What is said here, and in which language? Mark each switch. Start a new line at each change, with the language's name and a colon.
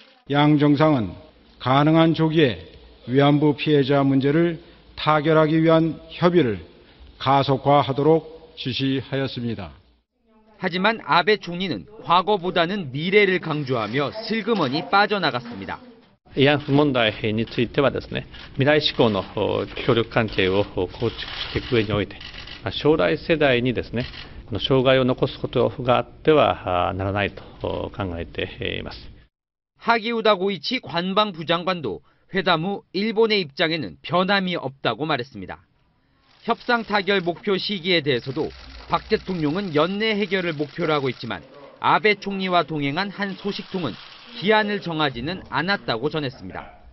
Korean: 양 정상은 가능한 조기에 위안부 피해자 문제를 타결하기 위한 협의를 가속화하도록 지시하였습니다. 하지만 아베 총리는 과거보다는 미래를 강조하며 슬그머니 빠져나갔습니다. 위안부 문제에
Japanese: については未来志向の協力関係を構築していく上において将来世代にですね障害を残すことがあってはならないと考えています。
Korean: 하기우다 고이치 관방부 장관도 회담 후 일본의 입장에는 변함이 없다고 말했습니다. 협상 타결 목표 시기에 대해서도 박 대통령은 연내 해결을 목표로 하고 있지만 아베 총리와 동행한 한 소식통은 기한을 정하지는 않았다고 전했습니다.